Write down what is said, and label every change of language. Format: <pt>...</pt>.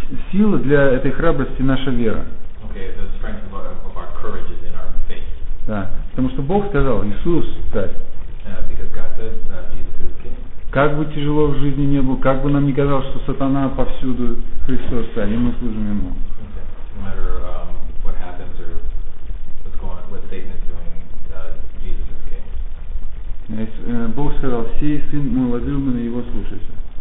<ru>Сила для этой храбрости — наша вера.</ru> <en>Okay, the strength of our courage is in our faith.</en> <ru>Да, потому что Бог сказал, Иисус, царь.</ru> <en>Because God said, Jesus is king.</en> <ru>Как бы тяжело в жизни не было, как бы нам не казалось, что сатана повсюду, Христос царь, и мы служим Ему.</ru> <en>Okay. No matter what happens or what's going on, what Satan is doing, Jesus is king.</en> <ru>Бог сказал, сей сын мой возлюбленный, Его слушайся.</ru>